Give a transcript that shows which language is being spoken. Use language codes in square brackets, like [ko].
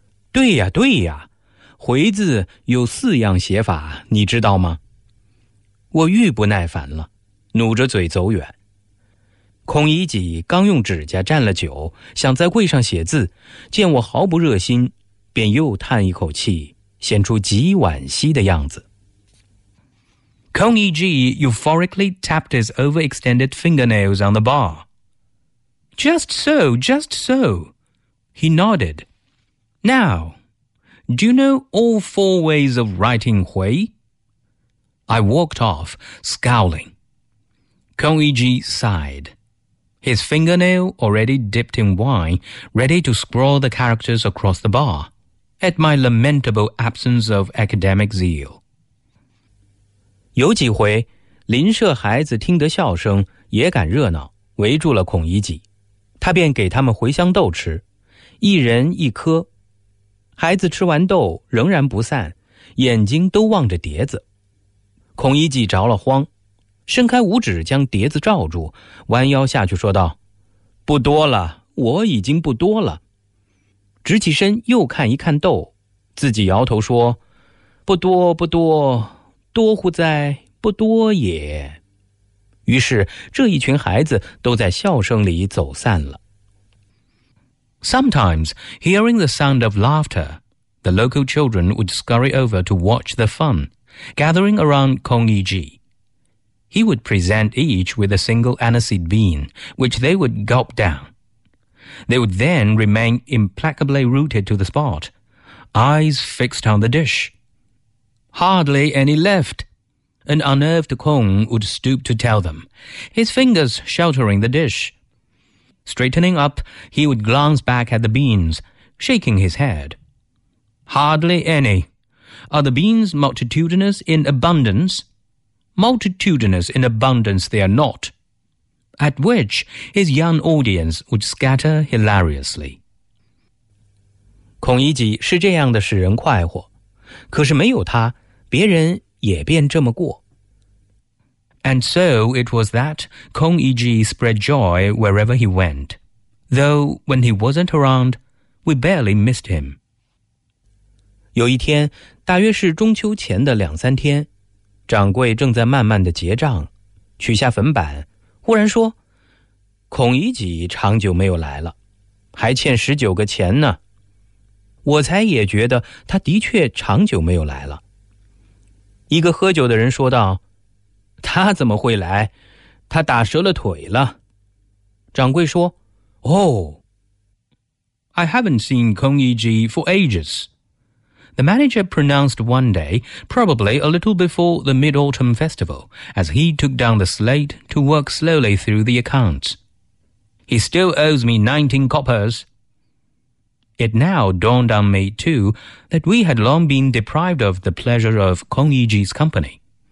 [zh] 对呀对呀，回字有四样写法，你知道吗？我愈不耐烦了，努着嘴走远。孔乙己刚用指甲蘸了酒，想在柜上写字，见我毫不热心，便又叹一口气，显出极惋惜的样子。 [en] Kong Yiji euphorically tapped his overextended fingernails on the bar. Just so, just so. He nodded. Now, do you know all four ways of writing hui? I walked off, scowling. Kong Yiji sighed. His fingernail already dipped in wine, ready to scrawl the characters across the bar, at my lamentable absence of academic zeal. [zh] 有几回，邻舍孩子听得笑声，也敢热闹，围住了孔乙己，他便给他们茴香豆吃，一人一颗。孩子吃完豆仍然不散，眼睛都望着碟子。孔乙己着了慌，伸开五指将碟子罩住，弯腰下去说道：“不多了，我已经不多了。” 直起身又看一看豆，自己摇头说：“不多，不多。” 多乎在不多也。于是这一群孩子都在笑声里走散了。 [en] Sometimes, hearing the sound of laughter, the local children would scurry over to watch the fun, gathering around Kong Yiji. He would present each with a single aniseed bean, which they would gulp down. They would then remain implacably rooted to the spot, eyes fixed on the dish. Hardly any left. An unnerved Kong would stoop to tell them, his fingers sheltering the dish. Straightening up, he would glance back at the beans, shaking his head. Hardly any. Are the beans multitudinous in abundance? Multitudinous in abundance they are not. At which his young audience would scatter hilariously. [zh] 孔乙己是这样的使人快活，可是没有他别人也便这么过。 [en] And so it was that Kong Yiji spread joy wherever he went. Though when he wasn't around, we barely missed him. [zh] 有一天，大约是中秋前的两三天，掌柜正在慢慢地结账，取下粉板，忽然说，孔乙己长久没有来了，还欠19个钱呢。我才也觉得他的确长久没有来了。一个喝酒的人说道，他怎么会来？他打折了腿了。掌柜说 [en] Oh, I haven't seen Kong Yiji for ages. The manager pronounced one day, probably a little before the Mid-Autumn Festival, as he took down the slate to work slowly through the accounts. He still owes me 19 coppers. It now dawned on me, too, that we had long been deprived of the pleasure of Kong Yiji's company.